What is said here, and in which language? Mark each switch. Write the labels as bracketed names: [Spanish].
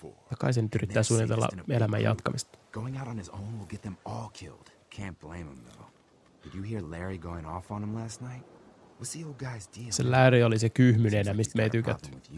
[Finnish] Takaisin nyt yrittää suunnitella elämän jatkamista. [English] Going out on his own will get them all killed. Can't blame him though. Did you hear Larry going off on him last night? Was the old guy's deal? [Finnish] Se Larry oli se kyhmyneenä, mistä me ei tykätty.